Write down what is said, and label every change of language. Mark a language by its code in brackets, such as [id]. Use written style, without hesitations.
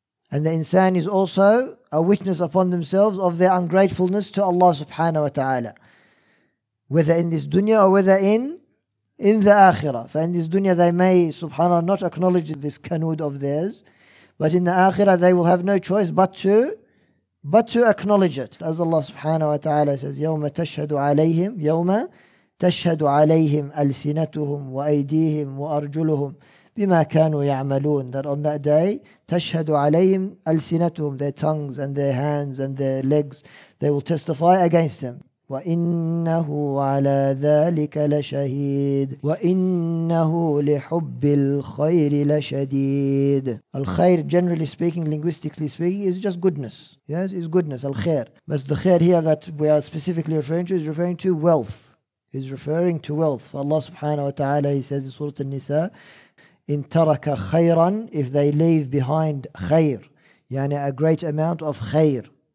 [en] And the insan is also a witness upon themselves of their ungratefulness to Allah subhanahu wa ta'ala. Whether in this dunya or whether in the akhirah. For in this dunya they may subhanahu wa ta'ala not acknowledge this kanood of theirs. But in the akhirah they will have no choice but to acknowledge it. As Allah subhanahu wa ta'ala says, [ar] يَوْمَ تَشْهَدُ عَلَيْهِمْ يَوْمَ تَشْهَدُ عَلَيْهِمْ أَلْسِنَتُهُمْ وَأَيْدِيهِمْ وَأَرْجُلُهُمْ بما كانوا يعملون. [en] That on that day [ar] تشهد عليهم ألسنتهم, [en] their tongues and their hands and their legs, they will testify against them. [ar] وإنه على ذلك لشهيد وإنه لحب الخير لشديد. [en] الخير, generally speaking, linguistically speaking, is just goodness. Yes, is goodness, الخير. But the خير here that we are specifically referring to is referring to wealth. Is referring to wealth. For Allah subhanahu wa ta'ala, he says in Surah An-Nisa, [ar] إِن تَرَكَ خَيْرًا, [en] if they leave behind خَيْر, يعني a great amount of خَيْر.